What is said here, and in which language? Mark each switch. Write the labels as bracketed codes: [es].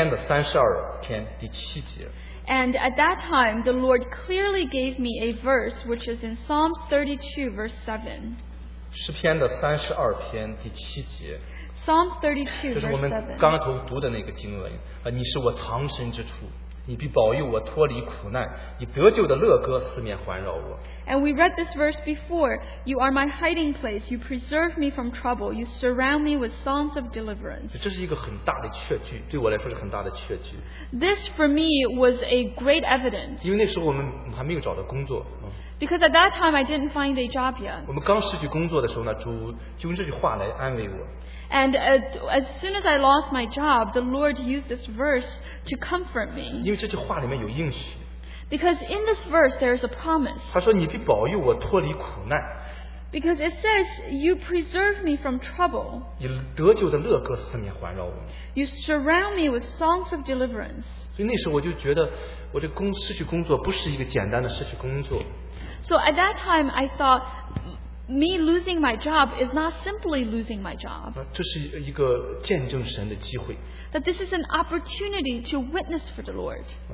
[zh] 主给我的一个经文很清楚的，在这段时间，就是在诗篇的32篇第7节。 [en] And at that time, the Lord clearly gave me a verse, which is in Psalms 32, verse 7. [zh] 诗篇的32篇第7节。 [en] Psalms 32, verse 7. [zh] 就是我们刚才读的那个经文，你是我藏身之处。你必保佑我脱离苦难，你得救的乐歌四面环绕我。 [en] And we read this verse before. You are my hiding place. You preserve me from trouble. You surround me with songs of deliverance. [zh] 这是一个很大的确据，对我来说是很大的确据。 [en] This for me was a great evidence. [zh] 因为那时候我们还没有找到工作。 [en] Because at that time I didn't find a job yet. [zh] 我们刚失去工作的时候呢，主就用这句话来安慰我。 [en] And as soon as I lost my job, the Lord used this verse to comfort me. Because in this verse, there is a promise. [zh] 他说你必保佑我脱离苦难。 [en] Because it says, you preserve me from trouble. [zh] 你得救的乐歌四面环绕我。 [en] You surround me with songs of deliverance. [zh] 所以那时候我就觉得我这失去工作不是一个简单的失去工作。 [en] So at that time, I thought, me losing my job is not simply losing my job. That this is an opportunity to witness for the Lord.